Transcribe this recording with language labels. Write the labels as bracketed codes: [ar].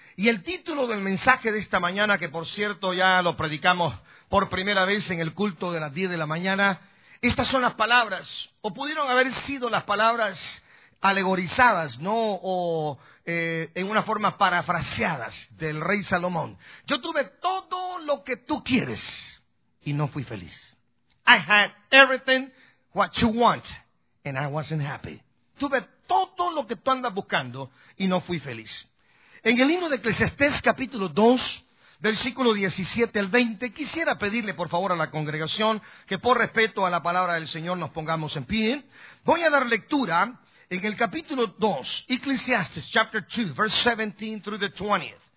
[es] Y el título del mensaje de esta mañana, que por cierto ya lo predicamos por primera vez en el culto de las 10 de la mañana. Estas son las palabras, o pudieron haber sido las palabras alegorizadas, ¿no? O en una forma parafraseadas del rey Salomón. Yo tuve todo lo que tú quieres y no fui feliz. [en] I had everything what you want and I wasn't happy. [es] Tuve todo lo que tú andas buscando y no fui feliz. En el libro de Eclesiastés capítulo 2, versículo 17 al 20, quisiera pedirle por favor a la congregación que por respeto a la palabra del Señor nos pongamos en pie. Voy a dar lectura. En el capítulo 2, [en] Ecclesiastes, chapter 2, verse 17 through the 20th.